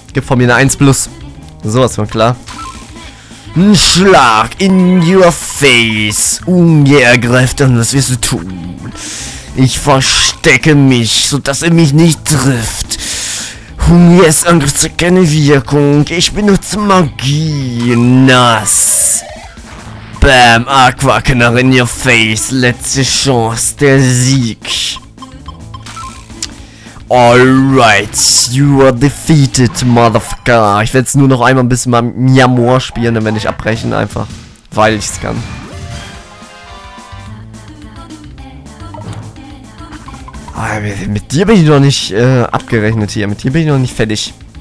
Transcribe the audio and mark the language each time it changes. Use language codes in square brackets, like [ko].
[de] Gibt von mir eine 1+. Sowas von klar. Ein Schlag [en] in your face. [de] Hunger greift an, was wirst du tun? Ich verstecke mich, sodass er mich nicht trifft. Hungers Angriff hat keine Wirkung. Ich benutze Magie. Nass. Bam, Aquaknarre [en] in your face. [de] Letzte Chance, der Sieg. [en] Alright, you are defeated, motherfucker. [de] Ich werde es nur noch einmal ein bisschen mal Myamor spielen, dann werde ich abbrechen, einfach. Weil ich es kann. Mit dir bin ich noch nicht abgerechnet hier. Mit dir bin ich noch nicht fertig.